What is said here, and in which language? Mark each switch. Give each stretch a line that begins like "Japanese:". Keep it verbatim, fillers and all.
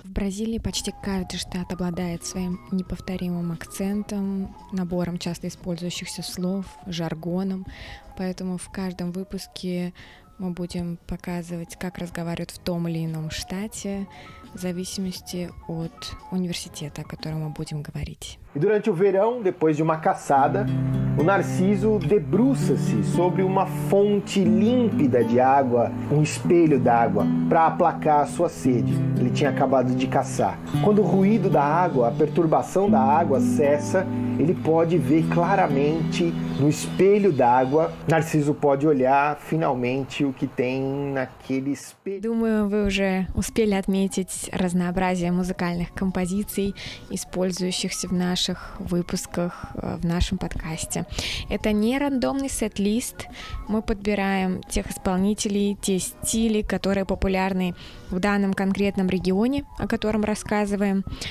Russian: В Бразилии почти каждый штат обладает своим неповторимым акцентом, набором часто использующихся слов, жаргоном, поэтому в каждом выпуске мы будем показывать, как разговаривают в том или ином штате, в зависимости от университета, о котором мы будем говорить.
Portuguese: И durante o verão, depois de uma caçada, o Narciso debruça-se sobre uma fonte límpida de água, um espelho d'água, para aplacar a sua sede. Ele tinha acabado de caçar. Quando o ruído da água, a perturbação da água cessa, ele pode ver claramente no espelho d'água. Narciso pode olhar finalmente o que tem naquele espelho.
Russian: Думаю, вы уже успели отметить разнообразие музыкальных композиций, использующихся в нашем В наших выпусках, в нашем подкасте. Это не рандомный сет-лист. Мы подбираем тех исполнителей, те стили, которые популярны в данном конкретном регионе, о котором рассказываем.